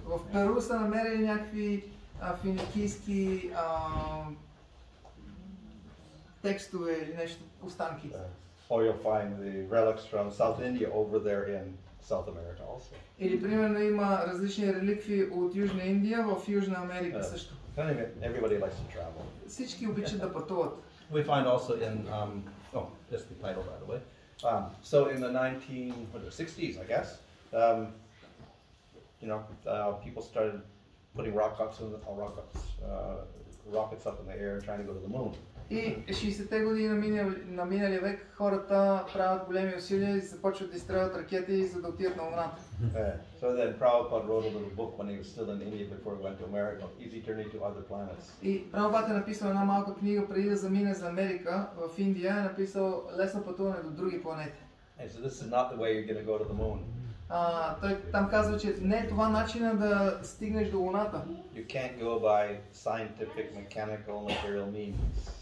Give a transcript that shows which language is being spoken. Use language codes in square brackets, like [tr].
[bg] В Перу са намерили някакви финикийски текстове или нещо, останки. [en] Or you'll find the relics from South India over there in South America also. [bg] Или примерно има различни реликви от Южна Индия в Южна Америка също. [en] Everybody likes to travel. [bg] Всички обичат да пътуват. [en] We find also in just the title, by the way. So in the 1960s, I guess. You know, people started putting rockets up in the air trying to go to the moon. [bg] И 60-те години на миналия век хората правят големи усилия и започват да изстрелят ракети, за да отидат на Луната. [en] So then Prabhupada wrote a little book when he was still in India before he went to America, Easy Journey to Other Planets. [bg] И Prabhupada е написал една малка книга преди да замине за Америка в Индия, е написал Лесно пътуване до други планети. [en] And so this is not the way you're going to go to the moon. [bg] Той там казва, че не е това начина да стигнеш до Луната. [en] You can't go by scientific, mechanical, material means.